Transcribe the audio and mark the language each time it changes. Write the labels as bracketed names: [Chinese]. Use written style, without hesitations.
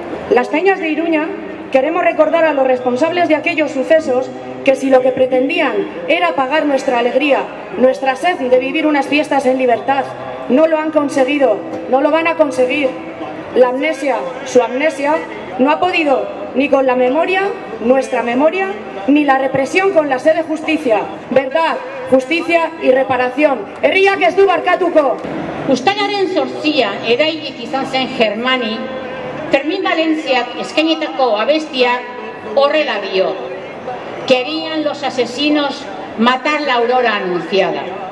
[Spanish] Las Peñas de Iruña queremos recordar a los responsables de aquellos sucesos que si lo que pretendían era apagar nuestra alegría, nuestra sed de vivir unas fiestas en libertad, no lo han conseguido, no lo van a conseguir. La amnesia, su amnesia, no ha podido ni con la memoria, nuestra memoria, ni la represión con la sede de justicia. Verdad, justicia y reparación. [Basque] ¡Herriak ez du barkatuko! Uztailaren zortzia erailik izan zen Germani, Fermín Valenciak eskainetako abestia horrela dio. [Spanish] Querían los asesinos matar la aurora anunciada.